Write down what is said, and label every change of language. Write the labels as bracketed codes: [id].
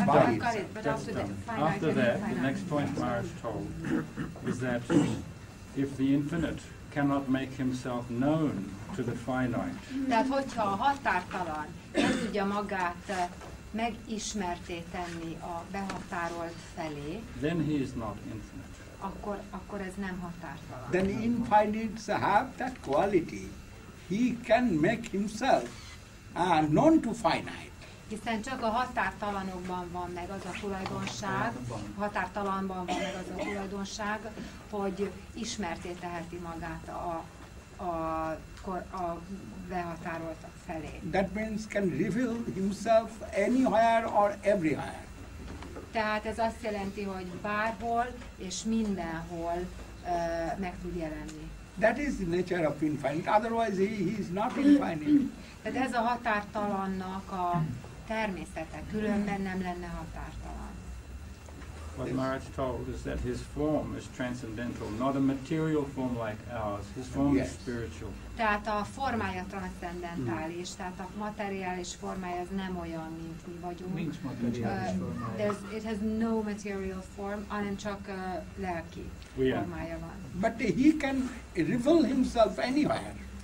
[en] No, I've got it, but also the finite. After that, the next point Maharaj told is that if the infinite cannot make himself known to the finite... [hu] Tehát hogyha a határtalan nem tudja magát megismerté tenni a behatárolt felé. [en] Then he is not infinite. [hu] Akkor ez nem határtalan. [en] Then infinites have that quality. He can make himself known to finite. [hu] Hiszen csak a határtalanokban van meg az a tulajdonság, határtalanban van meg az a tulajdonság, hogy ismerté teheti magát a behatároltak felé. [en] That means can reveal himself anywhere or everywhere. [hu] Tehát ez azt jelenti, hogy bárhol és mindenhol meg tud jelenni. [en] That is the nature of infinite. Otherwise he is not infinite. [hu] Tehát ez a határtalannak a természete, különben nem lenne határtalan. [en] What Maharaj told is that his form is transcendental, not a material form like ours. His form yes. is spiritual. [hu] Tehát a formája transzcendentális, tehát a materiális formája az nem olyan, mint mi vagyunk. Nincs materiális formája. [en] It has no material form, [hu] hanem csak lelki formája van. [en] But he can reveal himself anywhere.